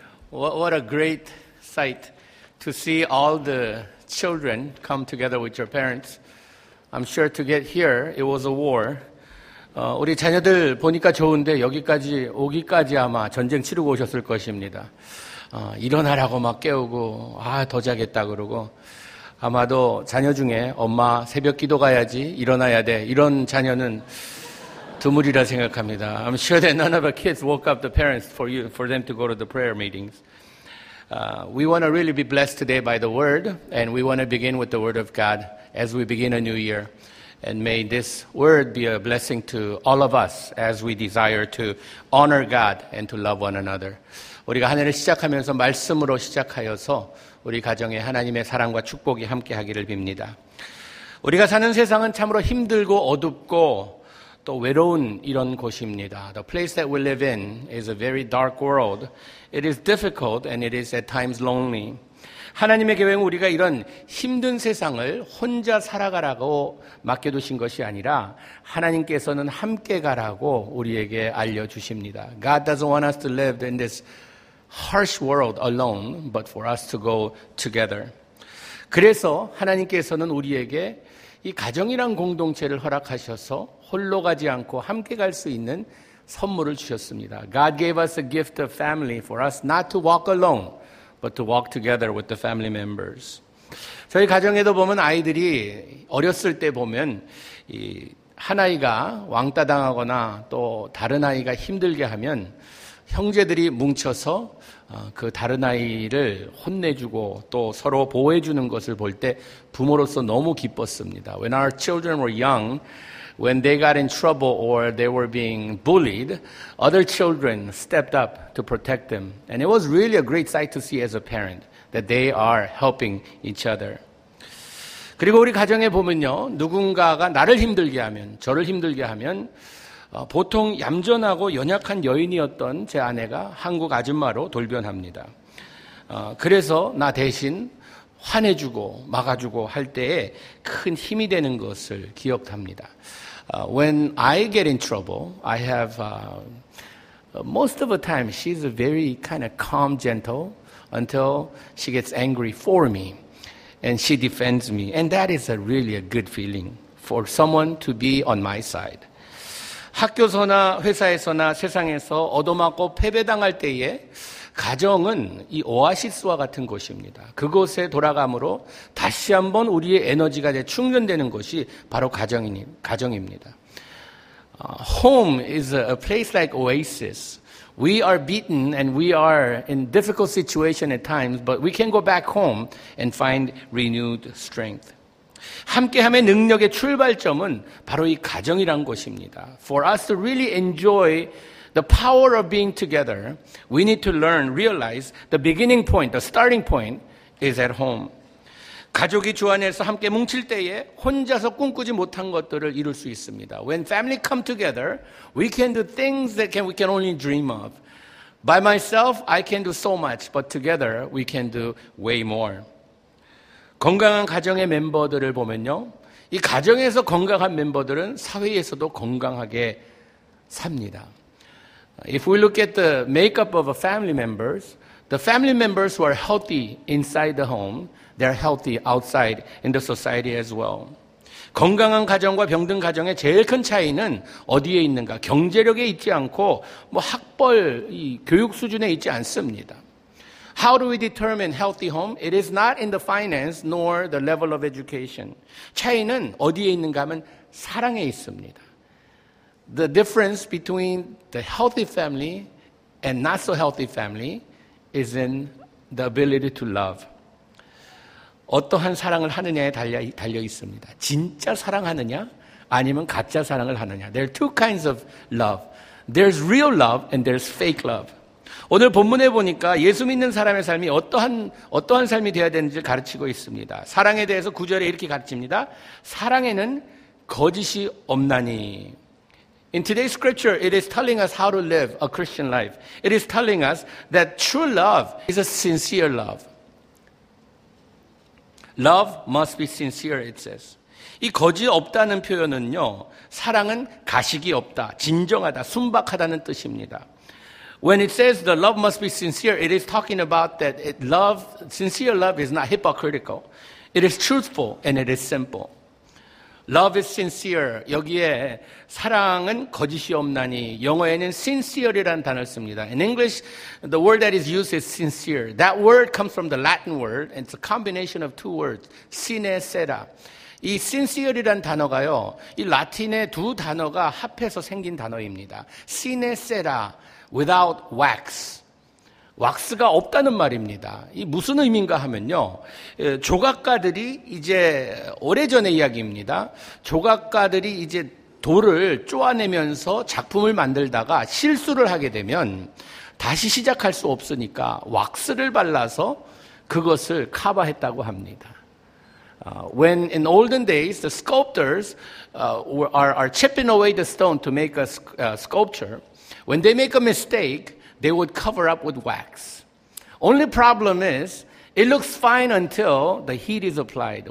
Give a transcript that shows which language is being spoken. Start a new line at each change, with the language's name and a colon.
English: What a great sight to see all the children come together with your parents. I'm sure to get here, it was a war.
Korean: 우리 자녀들 보니까 좋은데 여기까지 오기까지 아마 전쟁 치르고 오셨을 것입니다. 일어나라고 막 깨우고 아 더 자겠다 그러고 아마도 자녀 중에 엄마 새벽 기도 가야지 일어나야 돼 이런 자녀는 드물이라 생각합니다.
English: I'm sure that none of our kids woke up the parents for you for them to go to the prayer meetings. We want to really be blessed today by the word and we want to begin with the word of God as we begin a new year. And may this word be a blessing to all of us as we desire to honor God and to love one another.
Korean: 우리가 한 해를 시작하면서 말씀으로 시작하여서 우리 가정에 하나님의 사랑과 축복이 함께 하기를 빕니다. 우리가 사는 세상은 참으로 힘들고 어둡고 또 외로운 이런 곳입니다.
English: The place that we live in is a very dark world. It is difficult and it is at times lonely.
Korean: 하나님의 계획은 우리가 이런 힘든 세상을 혼자 살아가라고 맡겨두신 것이 아니라 하나님께서는 함께 가라고 우리에게 알려주십니다.
English: God doesn't want us to live in this harsh world alone, but for us to go together.
Korean: 그래서 하나님께서는 우리에게 이 가정이란 공동체를 허락하셔서 홀로 가지 않고 함께 갈 수 있는 선물을 주셨습니다.
English: God gave us a gift of family for us not to walk alone, but to walk together with the family members.
Korean: 저희 가정에도 보면 아이들이 어렸을 때 보면 이 한 아이가 왕따 당하거나 또 다른 아이가 힘들게 하면 형제들이 뭉쳐서 그 다른 아이를 혼내주고 또 서로 보호해주는 것을 볼 때 부모로서 너무 기뻤습니다.
English: When our children were young, when they got in trouble or they were being bullied, other children stepped up to protect them. And it was really a great sight to see as a parent that they are helping each other.
Korean: 그리고 우리 가정에 보면요, 누군가가 나를 힘들게 하면, 저를 힘들게 하면 보통 얌전하고 연약한 여인이었던 제 아내가 한국 아줌마로 돌변합니다. 그래서 나 대신 화내주고 막아주고 할 때에 큰 힘이 되는 것을 기억합니다.
English: When I get in trouble, I have most of the time she's a very kind of calm, gentle until she gets angry for me and she defends me. And that is a really a good feeling for someone to be on my side.
Korean: 학교서나 회사에서나 세상에서 얻어맞고 패배당할 때에 가정은 이 오아시스와 같은 곳입니다. 그곳에 돌아감으로 다시 한번 우리의 에너지가 충전되는 곳이 바로 가정입니다.
English: Home is a place like oasis. We are beaten and we are in difficult situation at times, but we can go back home and find renewed strength.
Korean: 함께함의 능력의 출발점은 바로 이 가정이란 곳입니다.
English: For us to really enjoy the power of being together, we need to learn, realize the beginning point, the starting point is at home.
Korean: 가족이 주 안에서 함께 뭉칠 때에 혼자서 꿈꾸지 못한 것들을 이룰 수 있습니다.
English: When family come together, we can do things that we can only dream of. By myself, I can do so much, but together, we can do way more.
Korean: 건강한 가정의 멤버들을 보면요, 이 가정에서 건강한 멤버들은 사회에서도 건강하게 삽니다.
English: If we look at the makeup of the family members who are healthy inside the home, they're healthy outside in the society as well.
Korean: 건강한 가정과 병든 가정의 제일 큰 차이는 어디에 있는가? 경제력에 있지 않고 뭐 학벌, 교육 수준에 있지 않습니다.
English: How do we determine healthy home? It is not in the finance nor the level of education.
Korean: 차이는 어디에 있는가 하면 사랑에 있습니다.
English: The difference between the healthy family and not so healthy family is in the ability to love.
Korean: 어떠한 사랑을 하느냐에 달려 있습니다. 진짜 사랑하느냐 아니면 가짜 사랑을 하느냐.
English: There are two kinds of love. There's real love and there's fake love.
Korean: 오늘 본문에 보니까 예수 믿는 사람의 삶이 어떠한 삶이 되어야 되는지 가르치고 있습니다. 사랑에 대해서 9절에 이렇게 가르칩니다. 사랑에는 거짓이 없나니.
English: In today's scripture, it is telling us how to live a Christian life. It is telling us that true love is a sincere love. Love must be sincere, it says.
Korean: 이 거짓 없다는 표현은요, 사랑은 가식이 없다, 진정하다, 순박하다는 뜻입니다.
English: When it says the love must be sincere, it is talking about that love, sincere love is not hypocritical. It is truthful and it is simple. Love is sincere.
Korean: 여기에 사랑은 거짓이 없나니 영어에는 sincere이라는 단어를 씁니다.
English: In English, the word that is used is sincere. That word comes from the Latin word. And it's a combination of two words, sine sera.
Korean: 이 sincere이란 단어가요, 이 라틴의 두 단어가 합해서 생긴 단어입니다.
English: sine sera, without wax.
Korean: 왁스가 없다는 말입니다. 이 무슨 의미인가 하면요, 조각가들이 이제 오래전의 이야기입니다. 조각가들이 이제 돌을 쪼아내면서 작품을 만들다가 실수를 하게 되면 다시 시작할 수 없으니까 왁스를 발라서 그것을 커버했다고 합니다.
English: When in olden days the sculptors are chipping away the stone to make a sculpture, when they make a mistake, they would cover up with wax. Only problem is, it looks fine until the heat is applied.